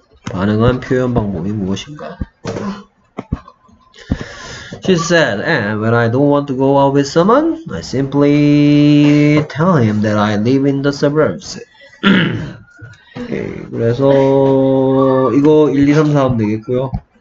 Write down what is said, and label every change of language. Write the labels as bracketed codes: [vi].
[ko] 반응한 표현 방법이 무엇인가? [en] She said, and when I don't want to go out with someone, I simply tell him that I live in the suburbs. [ko] 오케이, 그래서 이거 1, 2, 3, 4 하면 되겠고요.